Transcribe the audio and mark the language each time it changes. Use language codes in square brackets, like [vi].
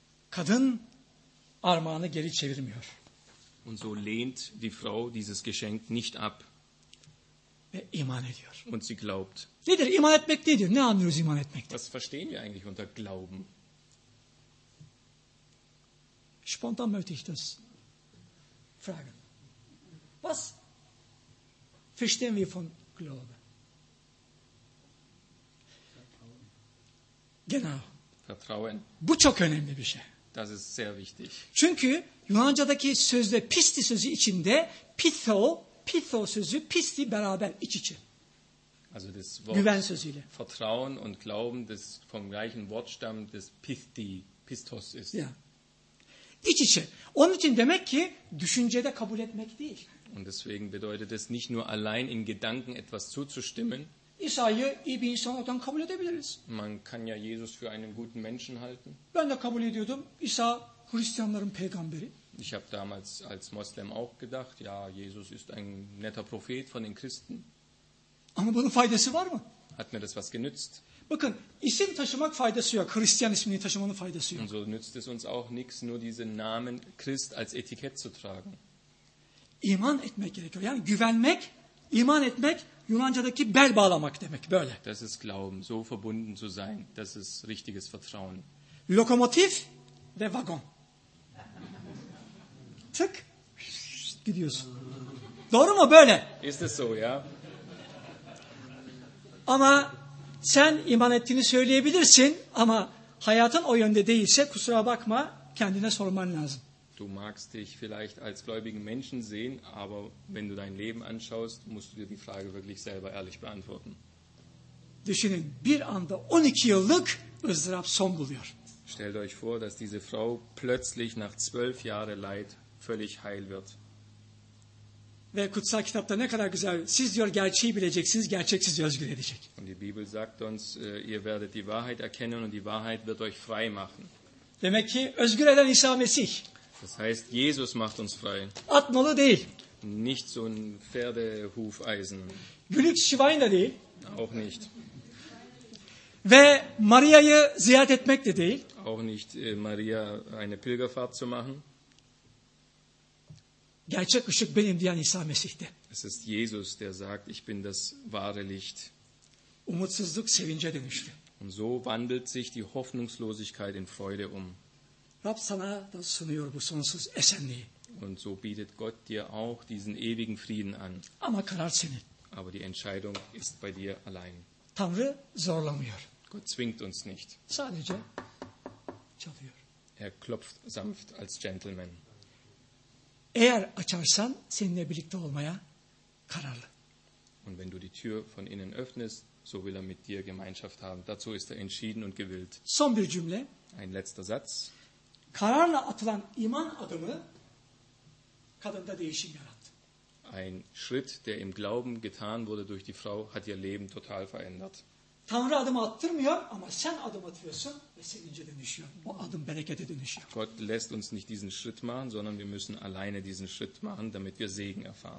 [tr] Kadın armağanı geri çevirmiyor. [de] Und so lehnt die Frau dieses Geschenk nicht ab. [tr] Ve iman ediyor. [de] Und sie glaubt. [tr] Nedir? İman etmek nedir? Ne anlıyoruz iman etmekten? [de] Was verstehen wir eigentlich unter Glauben? Spontan möchte ich das fragen. Was verstehen wir von Glauben? Genau. Vertrauen. [tr] Bu çok önemli bir şey. [de] Das ist sehr wichtig. [tr] Çünkü Yunanca'daki sözde pisti sözü içinde pitho sözü pisti beraber iç içe. [de] Also das Wort [tr] Güven sözüyle. [de] Vertrauen und Glauben, das vom gleichen Wortstamm des pisti, pistos ist. Ja. [tr] İç içe. Onun için demek ki düşüncede kabul etmek değil. [de] Und deswegen bedeutet es nicht nur allein in Gedanken etwas zuzustimmen. [tr] İsa'yı iyi bir insan olarak kabul edebiliriz. [de] Man kann ja Jesus für einen guten Menschen halten. [tr] Ben de kabul ediyordum. İsa Hristiyanların peygamberi. [de] Ich habe damals als Moslem auch gedacht, ja, Jesus ist ein netter Prophet von den Christen. [tr] Ama bunun faydası var mı? [de] Hat mir das was genützt? [tr] Bakın, isim taşımak faydası yok. Hristiyan ismini taşımanın faydası yok. [de] Und so nützt es uns auch nichts, nur diesen Namen Christ als Etikett zu tragen. [tr] İman etmek gerekiyor. Yani güvenmek, iman etmek, Yunanca'daki bel bağlamak demek. Böyle. [de] Das ist Glauben, so verbunden zu sein. Das ist richtiges Vertrauen. [tr] Lokomotif ve vagon. Tık, gidiyorsun. Doğru mu böyle? [de] Ist es so, ya? [tr] Ama sen iman ettiğini söyleyebilirsin ama hayatın o yönde değilse kusura bakma kendine sorman lazım. [de] Du magst dich vielleicht als gläubigen Menschen sehen, aber wenn du dein Leben anschaust, musst du dir die Frage wirklich selber ehrlich beantworten. [tr] Düşünün, bir anda 12 yıllık ızdırap son buluyor. [de] Stellt euch vor, dass diese Frau plötzlich nach 12 Jahren Leid völlig heil wird. [tr] Ve kutsal kitapta ne kadar güzel. Siz diyor gerçeği bileceksiniz, gerçek sizi özgür edecek. [de] Und die Bibel sagt uns, ihr werdet die Wahrheit erkennen und die Wahrheit wird euch frei machen. [tr] Demek ki özgür eden İsa Mesih. [de] Das heißt, Jesus macht uns frei. [tr] Atmalı değil. [de] Nicht so ein Pferdehufeisen. [tr] Gülük Şivayn da değil. [de] Auch nicht. [tr] Ve Maria'yı ziyaret etmek de değil. [de] Auch nicht Maria eine Pilgerfahrt zu machen. [tr] Gerçek ışık benim diyen İsa Mesih'te. [de] Es ist Jesus, der sagt, ich bin das wahre Licht. [tr] Umutsuzluk sevince dönüştü. [de] Und so wandelt sich die Hoffnungslosigkeit in Freude um. [tr] Rab sana da sunuyor bu sonsuz esenliği. [de] Und so bietet Gott dir auch diesen ewigen Frieden an. [tr] Ama karar senin. [de] Aber die Entscheidung ist bei dir allein. [tr] Tanrı zorlamıyor. [de] Gott zwingt uns nicht. [tr] Sadece çalıyor. [de] Er klopft sanft als gentleman. [tr] Eğer açarsan seninle birlikte olmaya kararlı. [de] Und wenn du die Tür von innen öffnest, so will er mit dir Gemeinschaft haben. Dazu ist er entschieden und gewillt. [tr] Son bir cümle. [de] Ein letzter Satz. [tr] Kararla atılan iman adımı kadında değişim yarattı. [de] Ein Schritt, der im Glauben getan wurde durch die Frau, hat ihr Leben total verändert. [tr] Tanrı adımı attırmıyor ama sen adım atıyorsun ve sevince dönüşüyor. Bu adım berekete dönüşüyor. [de] Gott lässt uns nicht diesen Schritt machen, sondern wir müssen alleine diesen Schritt machen, damit wir Segen erfahren.